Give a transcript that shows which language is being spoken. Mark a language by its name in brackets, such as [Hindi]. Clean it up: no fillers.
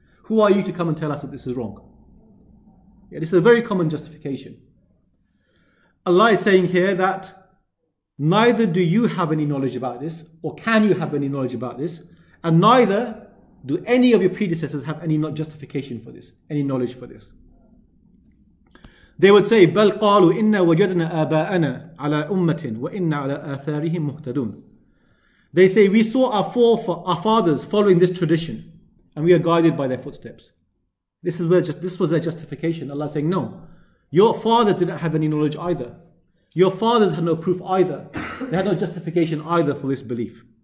[English] Who are you to come and tell us that this is wrong? Yeah, this is a very common justification. Allah is saying here that neither do you have any knowledge about this, or can you have any knowledge about this, and neither do any of your predecessors have any justification for this, any knowledge for this. They would say, [Arabic] بَلْ قَالُوا إِنَّا وَجَدْنَا آبَاءَنَا عَلَىٰ أُمَّةٍ وَإِنَّا عَلَىٰ آثَارِهِمْ مُهْتَدُونَ. [English] They say, we saw our fathers following this tradition, and we are guided by their footsteps. This was their justification. Allah saying, no, your fathers didn't have any knowledge either. Your fathers had no proof either. They had no justification either for this belief.